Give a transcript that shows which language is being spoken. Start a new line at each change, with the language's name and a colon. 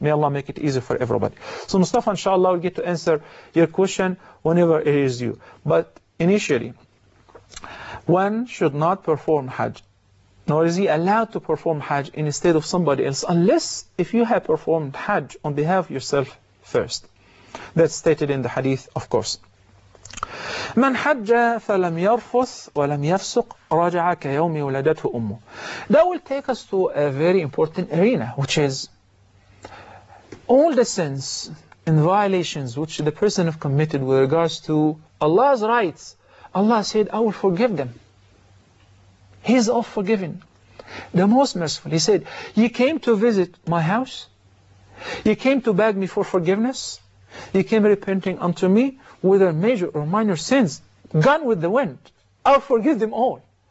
English: May Allah make it easy for everybody. So Mustafa, inshallah, will get to answer your question whenever it is due. But initially, one should not perform Hajj, nor is he allowed to perform Hajj instead of somebody else, unless if you have performed Hajj on behalf of yourself first. That's stated in the hadith, of course.
Arabic: من حج فلم يرفث ولم يفسق رجع كيوم ولدته أمه.
English: That will take us to a very important arena, which is all the sins and violations which the person have committed with regards to Allah's rights. Allah said, I will forgive them. He's all forgiven, the most merciful. He said, you came to visit my house, you came to beg me for forgiveness, you came repenting unto me, whether major or minor sins, gone with the wind, I'll forgive them all.